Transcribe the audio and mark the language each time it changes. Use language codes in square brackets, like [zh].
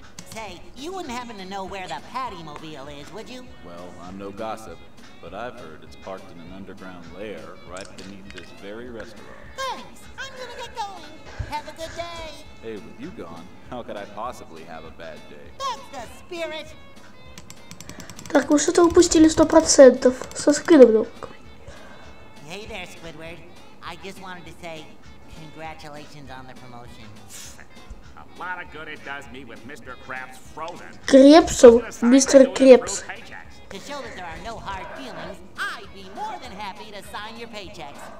[en] Say, you wouldn't happen to know where the patty-mobile is, would you? Well, I'm no gossip, but I've heard it's parked in an underground lair right beneath this very restaurant. Thanks! I'm gonna get going! Have a good day! Hey, with you gone, how could I possibly have a bad day? That's the spirit! [ru] Так, вы что-то упустили 100% со Сквидвардом. [en] Hey there, Squidward. I just wanted to say congratulations on the promotion. A lot of good it does me with Mr. Krabs frozen. [ru] Крепсов, мистер Крепс. [en] To show that there are no hard feelings, I'd be more than happy to sign your paychecks.